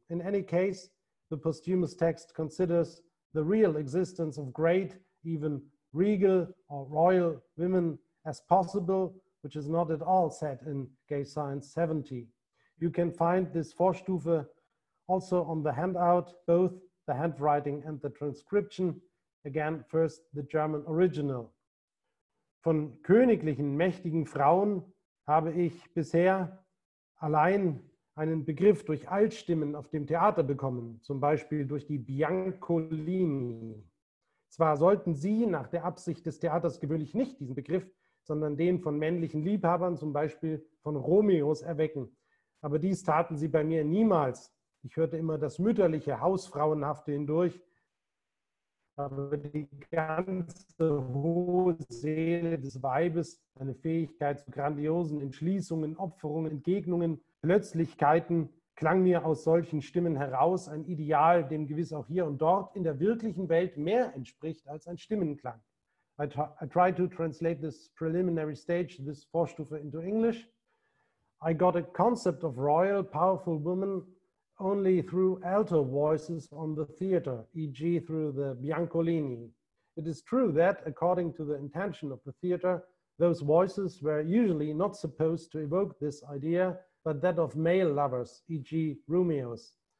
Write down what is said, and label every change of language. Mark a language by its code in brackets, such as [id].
[en] In any case, the posthumous text considers the real existence of great, even regal or royal women as possible, which is not at all said in Gay Science 70. You can find this Vorstufe also on the handout, both the handwriting and the transcription. Again, first the German original. [de] Von königlichen mächtigen Frauen habe ich bisher allein einen Begriff durch Altstimmen auf dem Theater bekommen, zum Beispiel durch die Biancolini. Zwar sollten sie nach der Absicht des Theaters gewöhnlich nicht diesen Begriff, sondern den von männlichen Liebhabern, zum Beispiel von Romeos, erwecken. Aber dies taten sie bei mir niemals. Ich hörte immer das mütterliche, hausfrauenhafte hindurch. Aber die ganze hohe Seele des Weibes, eine Fähigkeit zu grandiosen Entschließungen, Opferungen, Entgegnungen, Plötzlichkeiten, klang mir aus solchen Stimmen heraus, ein Ideal, dem gewiss auch hier und dort in der wirklichen Welt mehr entspricht als ein Stimmenklang. [en] I tried to translate this preliminary stage, this Vorstufe, into English. I got a concept of royal, powerful women only through alto voices on the theater, e.g. through the Biancolini. It is true that, according to the intention of the theater, those voices were usually not supposed to evoke this idea, but that of male lovers, e.g. Romeo's.